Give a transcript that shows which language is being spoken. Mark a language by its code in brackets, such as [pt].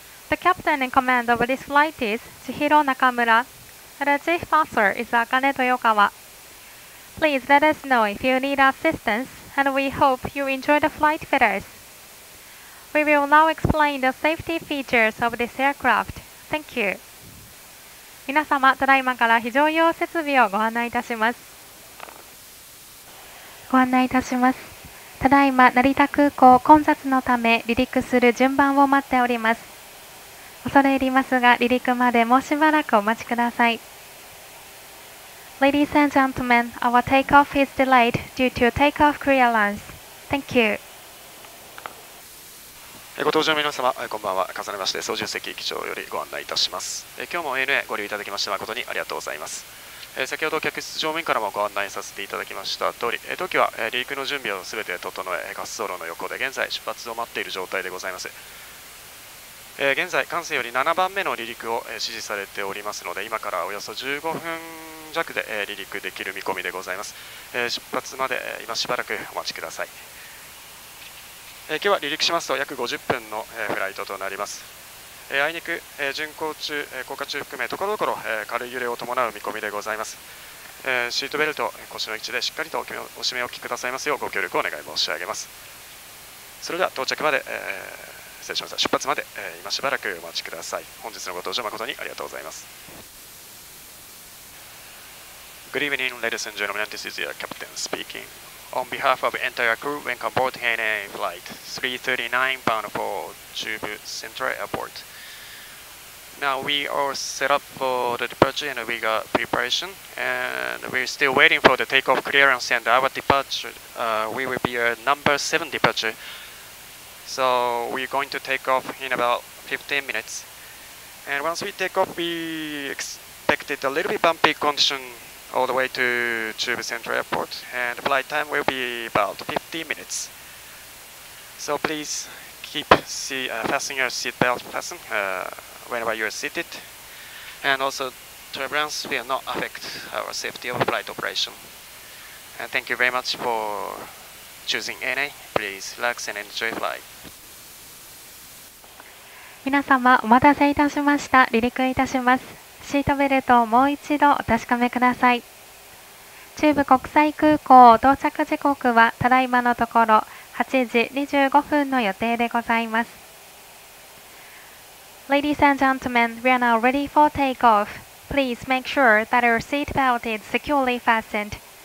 [en] The captain in command of this flight is Chihiro Nakamura. The chief passenger is Akane Toyokawa. Please let us know if you need assistance, and we hope you enjoy the flight with us. We will now explain the safety features of this aircraft. Thank you. [ja] 皆様、ただいまから非常用設備をご案内いたします。ご案内いたします。ただいま、成田空港混雑のため離陸する順番を待っております。恐れ入りますが、離陸までもうしばらくお待ちください。 [en] Ladies and gentlemen, our takeoff is delayed due to takeoff clearance. Thank you. [ja] ご搭乗の皆様、こんばんは。重ねまして操縦席機長よりご案内いたします。今日も ANA ご利用いただきまして誠にありがとうございます。先ほど客室乗務員からもご案内させていただきました通り、当機は離陸の準備をすべて整え、滑走路の横で現在出発を待っている状態でございます。現在管制より7番目の離陸を指示されておりますので、今からおよそ15分弱で離陸できる見込みでございます。出発まで今しばらくお待ちください。今日は離陸しますと約50分のフライトとなります。あいにく巡航中、降下中含めところどころ軽い揺れを伴う見込みでございます。シートベルト腰の位置でしっかりとお締めおきくださいますようご協力をお願い申し上げます。それでは到着まで、失礼しました、出発まで、今しばらくお待ちください。本日のご搭乗誠にありがとうございます。 [en] Good evening, ladies and gentlemen, this is your captain speakingOn behalf of entire crew, welcome aboard ANA Flight 339 bound for Chubu Central Airport. Now we are set up for the departure and we got preparation. And we're still waiting for the takeoff clearance and our departure. We will be a number 7 departure. So we're going to take off in about 15 minutes. And once we take off, we expected a little bit bumpy condition. All the way to Chubu Central Airport, and the flight time will be about 50 minutes. So please keep fasten your seatbelt fasten whenever you are seated, and also turbulence will not affect our safety of flight operation. And thank you very much for choosing ANA. Please relax and enjoy flight. [ja] 皆様、お待たせいたしました。離陸いたします。シートベルトをもう一度お確かめください。中部国際空港到着時刻はただいまのところ8時25分の予定でございます。 [en] Ladies and gentlemen, we are now ready for takeoff. Please make sure that your seatbelt is securely fastened.